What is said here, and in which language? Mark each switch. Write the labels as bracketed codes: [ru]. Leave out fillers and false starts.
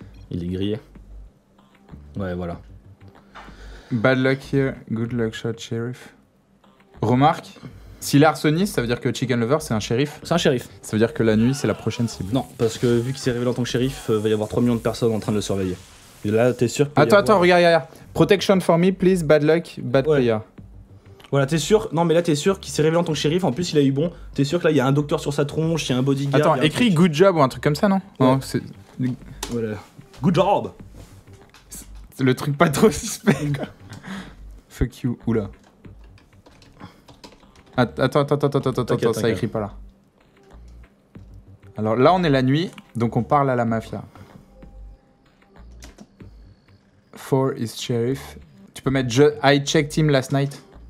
[fr] Il est grillé. Ouais, voilà. [en] Bad luck here, good luck shot, sheriff. [fr] Remarque, s'il est arsoniste, ça veut dire que Chicken Lover, c'est un shérif. C'est un shérif. Ça veut dire que la nuit, c'est la prochaine cible. Non, parce que vu qu'il s'est révélé en tant que shérif, il va y avoir 3 millions de personnes en train de le surveiller. Et là, t'es sûr que. Attends, regarde. [en] Protection for me, please, bad luck, bad player. [fr] Voilà, t'es sûr. Non, mais là, t'es sûr qu'il s'est révélé en tant que shérif. En plus, il a eu bon. T'es sûr que là, il y a un docteur sur sa tronche, il y a un bodyguard. Attends, écrit [en] good job [fr] ou un truc comme ça, non? Ouais. Oh, c'est... [en] Voilà. Good job. [fr] C'est le truc pas trop suspect. [en] Fuck you. Oula. [fr] Attends. Ça écrit pas là. Alors là, on est la nuit, donc on parle à la mafia. [en] Four is sheriff. [fr] Tu peux mettre [en] I checked him last night.